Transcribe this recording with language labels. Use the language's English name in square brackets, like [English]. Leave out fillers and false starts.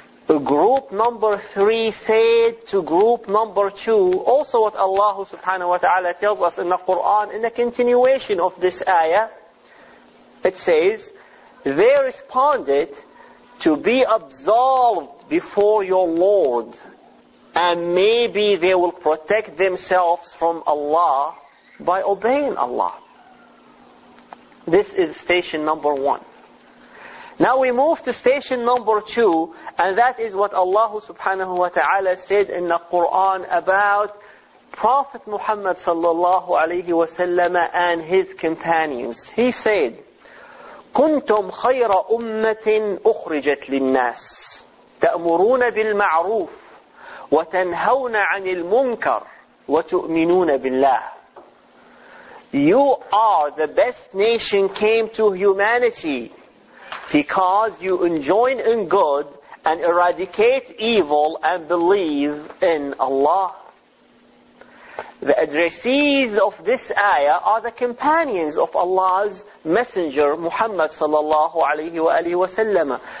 [English] Group number three said to group number two, also what Allah subhanahu wa ta'ala tells us in the Quran, in the continuation of this ayah, it says, they responded, to be absolved before your Lord, and maybe they will protect themselves from Allah by obeying Allah. This is station number one. Now we move to station number 2, and that is what Allah subhanahu wa ta'ala said in the Quran about Prophet Muhammad sallallahu alayhi wa sallam and his companions. He said, [Arabic] كنتم خير أمة أخرجت للناس تأمرون بالمعروف وتنهون عن المنكر وتؤمنون بالله. [English] You are the best nation came to humanity because you enjoin in good and eradicate evil and believe in Allah. The addressees of this ayah are the companions of Allah's messenger, Muhammad sallallahu alayhi wa alayhi wa sallam.